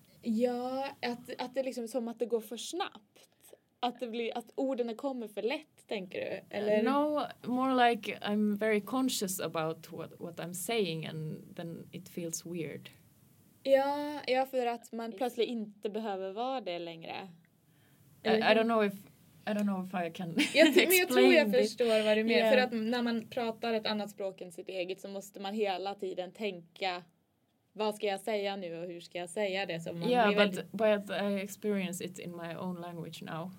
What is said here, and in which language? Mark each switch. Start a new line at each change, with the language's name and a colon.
Swedish: Ja, att det liksom som att det går för snabbt. Att orden kommer för lätt, tänker du? Eller?
English: No, more like I'm very conscious about what I'm saying and then it feels weird.
Swedish: Ja, för att man plötsligt inte behöver vara det längre.
English: I don't know if I can explain.
Swedish: Men jag tror jag förstår vad du menar. Yeah. För att när man pratar ett annat språk än sitt eget så måste man hela tiden tänka... Vad ska jag säga nu och hur ska jag säga det? Så man
English: but I experience it in my own language now.